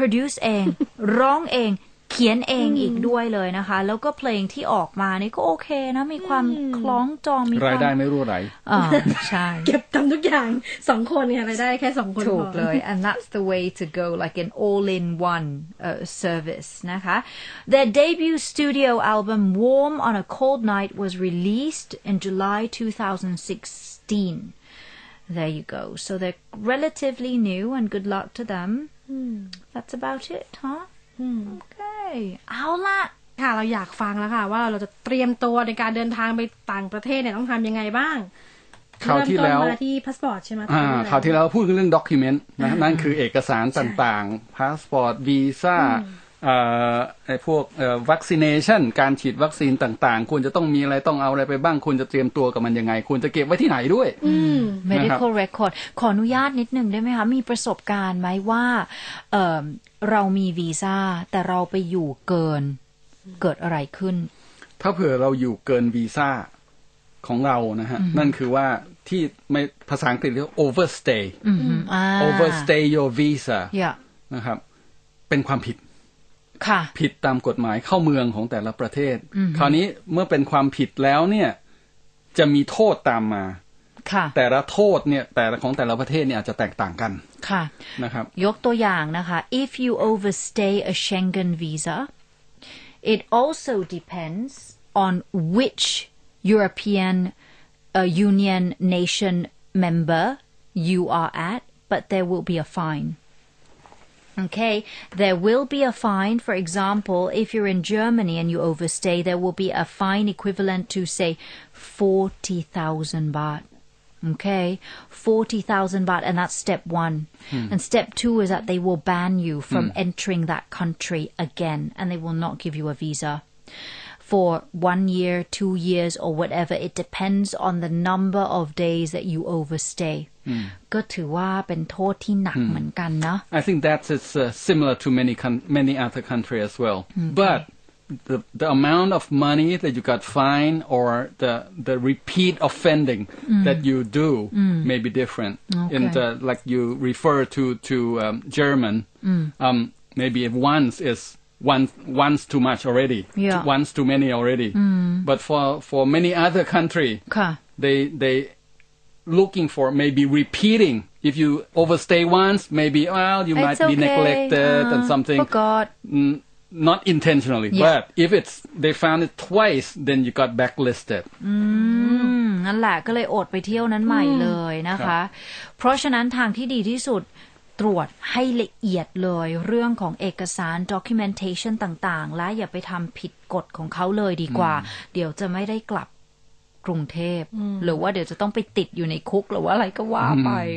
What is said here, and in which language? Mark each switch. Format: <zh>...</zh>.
<th>produce เองร้องเองเขียนเองอีกด้วยเลยนะคะแล้วก็เพลงที่ออกมานี่ก็โอเคนะมีความคล้องจองมี ความ รายได้ไม่รู้อะไร ใช่ เก็บทำทุกอย่าง2คนเนี่ยรายได้แค่2คน</th> <en>ถูกเลย and that's the way to go like an all in one service นะคะ their debut studio album Warm on a Cold Night was released in July 2016 there you go so they're relatively new and good luck to them that's about it huhokay เอาล่ะ</en> <th>ค่ะเราอยากฟังแล้วค่ะว่าเราจะเตรียมตัวในการเดินทางไปต่างประเทศเนี่ยต้องทำยังไงบ้าง คราวที่แล้ว มาที่พาสปอร์ตใช่ไหม คราวที่แล้วพูดถึงเรื่องด็อกิเมนต์นะนั่นคือเอกสารต่างๆพาสปอร์ตวีซ่าไอ้พวกวัคซีเนชันการฉีดวัคซีนต่างๆคุณจะต้องมีอะไรต้องเอาอะไรไปบ้างคุณจะเตรียมตัวกับมันยังไงคุณจะเก็บไว้ที่ไหนด้วย medical record ขออนุญาตนิดนึงได้ไหมคะมีประสบการณ์ไหมว่าเรามีวีซ่าแต่เราไปอยู่เกินเกิดอะไรขึ้น ถ้าเผื่อเราอยู่เกินวีซ่าของเรานะฮะนั่นคือว่าที่ไม่ภาษาอังกฤษเรียก overstay overstay your visa</th> <en>yeah.</en> <th>นะครับเป็นความผิด ค่ะ ผิดตามกฎหมายเข้าเมืองของแต่ละประเทศคราวนี้เมื่อเป็นความผิดแล้วเนี่ยจะมีโทษตามมาแต่ละโทษเนี่ยแต่ของแต่ละประเทศเนี่ยอาจจะแตกต่างกัน ค่ะ นะครับ</th> <en>ยกตัวอย่างนะคะ if you overstay a Schengen visa it also depends on which European Union nation member you are at but there will be a fineOkay, there will be a fine. For example, if you're in Germany and you overstay, there will be a fine equivalent to, say, 40,000 baht. Okay, 40,000 baht, and that's step one. And step two is that they will ban you from entering that country again, and they will not give you a visa for 1 year, 2 years, or whatever. It depends on the number of days that you overstay.</en> <th>ก็ถือว่าเป็นโทษที่หนักเหมือนกันนะ</th> <en>I think that is similar to many other country as well but the amount of money that you got fined or the repeat offending that you do may be different in the like you refer to German maybe once is once too much already once too many already but for many other country they looking for maybe repeating if you overstay once maybe well you might be neglected and something forgot not intentionally but if it's they found it twice then you got blacklisted</en> <th>งั้นแหละก็เลยอดไปเที่ยวนั้นใหม่เลยนะคะเพราะฉะนั้นทางที่ดีที่สุดตรวจให้ละเอียดเลยเรื่องของเอกสาร documentation ต่างๆและอย่าไปทำผิดกฎของเขาเลยดีกว่าเดี๋ยวจะไม่ได้กลับ กรุงเทพหรือว่าเดี๋ยวจะต้องไปติดอยู่ในคุกหรือว่าอะไรก็ว่าไป</th>